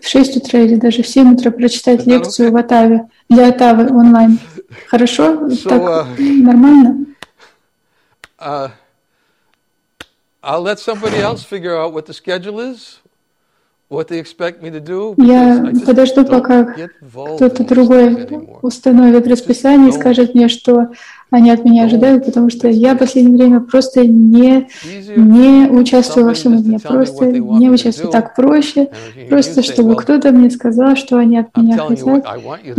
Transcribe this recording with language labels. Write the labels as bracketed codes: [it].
[ru] В 6 утра или даже в 7 утра прочитать лекцию okay? в Оттаве, для Оттавы онлайн. Хорошо? So, так, нормально? [en] I'll let somebody else figure out what the schedule is, what they expect me to do. [ru] Я подожду, пока кто-то другой установит расписание и скажет мне, что они от меня ожидают, потому что я в последнее время просто не участвую во всем. Мне просто не участвую. Так проще, просто чтобы кто-то мне сказал, что они от меня хотят.